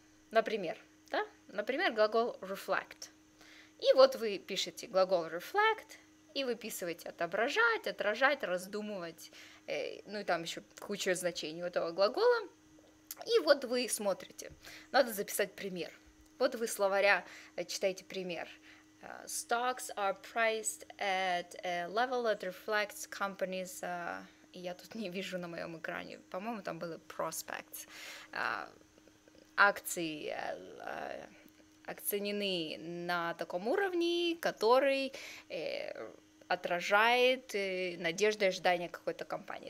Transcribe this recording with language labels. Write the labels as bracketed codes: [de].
[ru] Например, да? Например, глагол reflect. И вот вы пишете глагол reflect. И выписываете отображать, отражать, раздумывать, ну и там еще куча значений у этого глагола. И вот вы смотрите. Надо записать пример. Вот вы словаря читаете пример. [en] Stocks are priced at a level that reflects companies. [ru] Я тут не вижу на моем экране. По-моему, там было prospects. Акции оценены на таком уровне, который отражает надежды и ожидания какой-то компании.